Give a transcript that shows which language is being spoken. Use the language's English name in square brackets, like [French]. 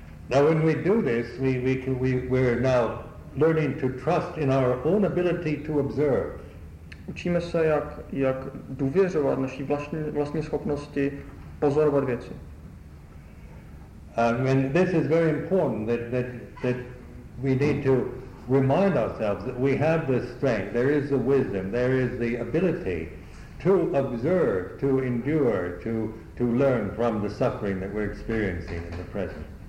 [English] Now when we do this, we're now learning to trust in our own ability to observe. [Czech] Učíme se jak důvěřovat naší vlastní schopnosti pozorovat věci. [English] And this is very important that we need to remind ourselves that we have this strength, there is the wisdom, there is the ability to observe, to endure, to learn from the suffering that we're experiencing in the present.